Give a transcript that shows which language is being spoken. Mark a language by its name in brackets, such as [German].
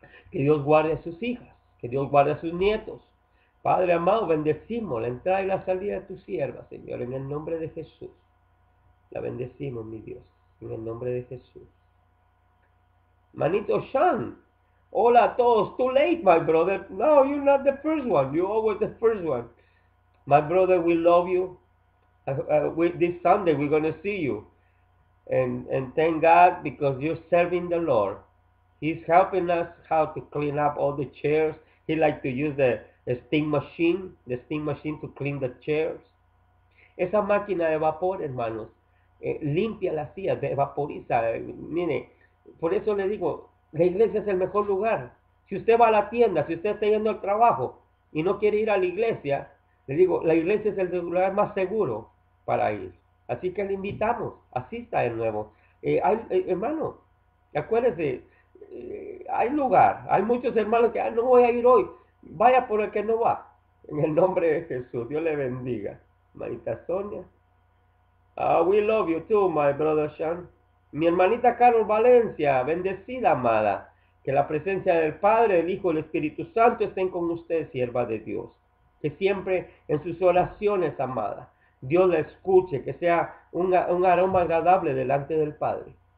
[Spanish] Que Dios guarde a sus hijas, que Dios guarde a sus nietos. Padre amado, bendecimos la entrada y la salida de tu sierva, Señor, en el nombre de Jesús. La bendecimos, mi Dios, en el nombre de Jesús. Manito Sean. Hola a todos, [English] too late, my brother. No, you're not the first one. You're always the first one. My brother, we love you. This Sunday, we're going to see you. And thank God, because you're serving the Lord. He's helping us how to clean up all the chairs. He likes to use the steam machine to clean the chairs. [Spanish] Esa máquina de vapor, hermanos, limpia la silla, evaporiza. Mire, por eso le digo, la iglesia es el mejor lugar. Si usted va a la tienda, si usted está yendo al trabajo y no quiere ir a la iglesia, le digo, la iglesia es el lugar más seguro para ir. Así que le invitamos, asista de nuevo. Hermano, acuérdese, hay lugar, hay muchos hermanos que no voy a ir hoy. Vaya por el que no va, en el nombre de Jesús. Dios le bendiga, hermanita Sonia. [English] We love you too, my brother Sean. [Spanish] Mi hermanita Carol Valencia, bendecida, amada, que la presencia del Padre, el Hijo y el Espíritu Santo estén con usted, sierva de Dios. Que siempre en sus oraciones, amada, Dios la escuche, que sea un aroma agradable delante del Padre.